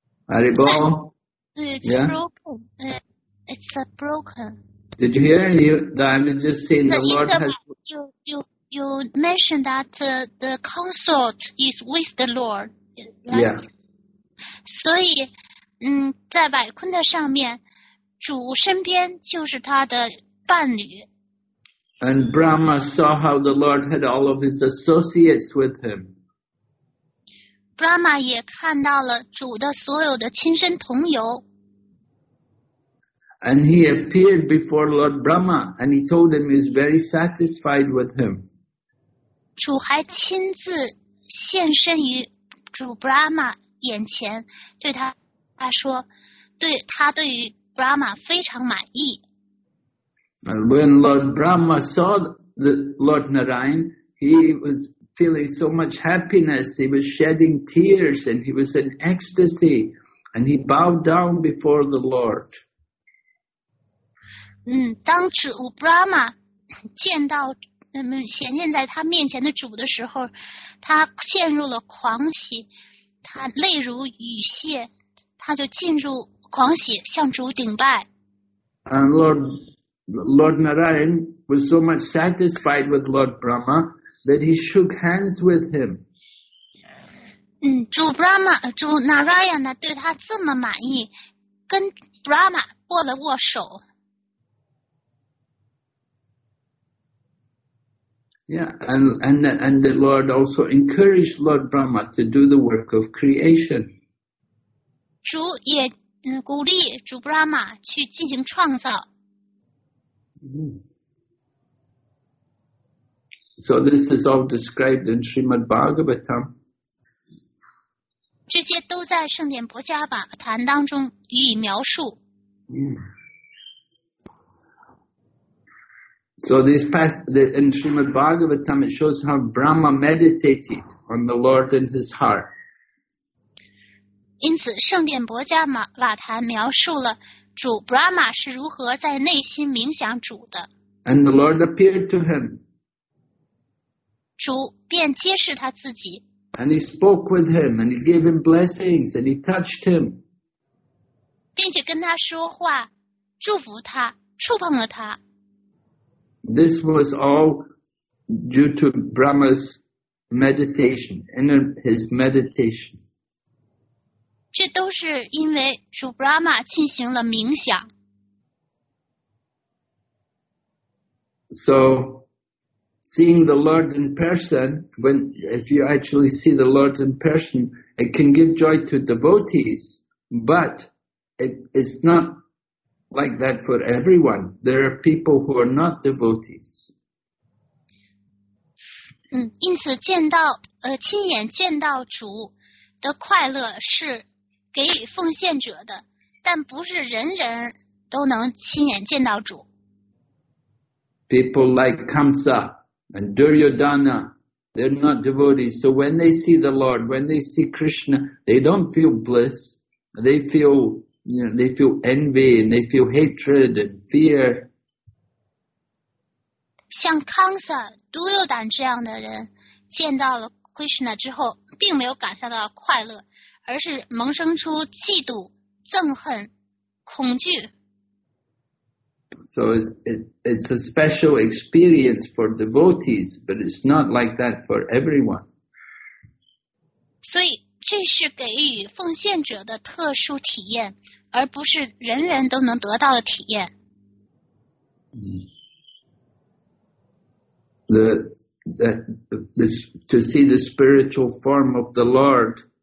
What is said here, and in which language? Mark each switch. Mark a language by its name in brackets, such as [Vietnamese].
[English] Haribol? It's broken. Did you hear? I'm just saying the Lord has... You mentioned that the consort is with the Lord, right? Yeah. [Chinese] 所以, 在百昆的上面,主身边就是他的伴侣。 [English] And Brahma saw how the Lord had all of his associates with him. [Chinese] Brahma 也看到了主的所有的亲身同游。 [English] And he appeared before Lord Brahma, and he told him he was very satisfied with him. [Chinese] 主还亲自现身于主 Brahma 眼前，对他说，对他对于 Brahma 非常满意。 [English] And when Lord Brahma saw the Lord Narayana, he was feeling so much happiness. He was shedding tears and he was in ecstasy. And he bowed down before the Lord. [Chinese] 当主 Brahma 见到显现在他面前的主的时候，他陷入了狂喜，他泪如雨泻，他就进入狂喜，向主顶拜。 [English] And Lord Narayan was so much satisfied with Lord Brahma that he shook hands with him. [Chinese] 主 Brahma, 主 Narayan 呢对他这么满意，跟 Brahma 握了握手。 [English] Yeah, and the Lord also encouraged Lord Brahma to do the work of creation. [Chinese] 主也鼓励主 Brahma 去进行创造。 [English] So this is all described in Srimad Bhagavatam. [Chinese] 这些都在圣典薄伽梵谈当中予以描述。 [English] So these past in Srimad Bhagavatam, it shows how Brahma meditated on the Lord in his heart. [Chinese] 因此，圣典薄伽梵谈描述了。主 Brahma 是如何在内心冥想主的。 [English] And the Lord appeared to him. [Chinese] 主便揭示他自己。 [English] And he spoke with him, and he gave him blessings, and he touched him. [Chinese] 并且跟他说话，祝福他，触碰了他。 [English] This was all due to Brahma's meditation, inner his meditation. [Chinese] 这都是因为主 Brahma 进行了冥想。 [English] So, seeing the Lord in person, if you actually see the Lord in person, it can give joy to devotees, but it's not like that for everyone. There are people who are not devotees. [Chinese] 因此见到亲眼见到主的快乐是给予奉献者的，但不是人人都能亲眼见到主。 [English] People like Kamsa and Duryodhana, they're not devotees. So when they see the Lord, when they see Krishna, they don't feel bliss. They feel, you know, they feel envy and they feel hatred and fear. [Chinese] 像 Kamsa、Duryodhana 这样的人，见到了 Krishna 之后，并没有感受到快乐。而是萌生出嫉妒、憎恨、恐惧。 [English] So it's a special experience for devotees, but it's not like that for everyone. [Chinese] 所以这是给予奉献者的特殊体验，而不是人人都能得到的体验。 [English] To see the spiritual form of the Lord.